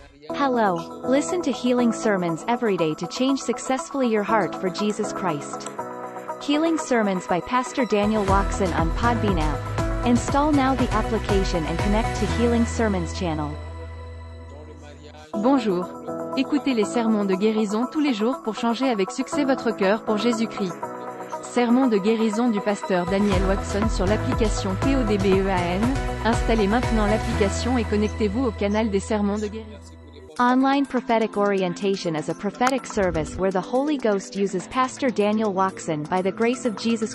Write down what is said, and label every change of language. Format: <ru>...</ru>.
<en>Hello. Listen to Healing Sermons every day to change successfully your heart for Jesus Christ. Healing Sermons by Pastor Daniel Watson on Podbean app. Install now the application and connect to Healing Sermons channel.</en> <fr>Bonjour. Écoutez les sermons de guérison tous les jours pour changer avec succès votre cœur pour Jésus-Christ. Sermon de guérison du pasteur Daniel Watson sur l'application PODBEAN. Installez maintenant l'application et connectez-vous au canal des sermons de guérison.</fr> <en>Online prophetic orientation is a prophetic service where the Holy Ghost uses Pastor Daniel Watson by the grace of Jesus Christ.</en>